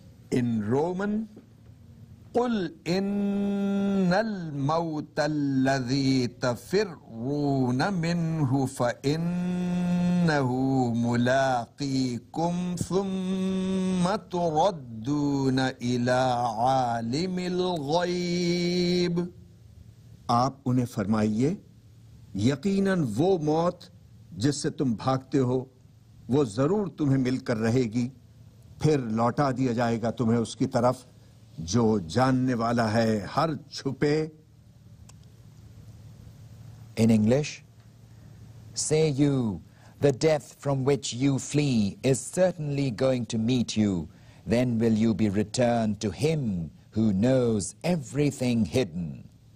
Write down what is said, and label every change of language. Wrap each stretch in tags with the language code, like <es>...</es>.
<en>In Roman,</en> <ar>قُلْ إِنَّ الْمَوْتَ الَّذِي تَفِرُّونَ مِنْهُ فَإِنَّهُ مُلَاقِيكُمْ ثُمَّ تُرَدُّونَ إِلَىٰ عَالِمِ الْغَيْبِ.</ar> <ur>آپ انہیں فرمائیے یقیناً وہ موت جس سے تم بھاگتے ہو وہ ضرور تمہیں مل کر رہے گی پھر لوٹا دیا جائے گا تمہیں اس کی طرف جو جاننے والا ہے ہر چھپے.</ur> <en>In English, say you, the death from which you flee is certainly going to meet you. Then will you be returned to him who knows everything hidden.</en>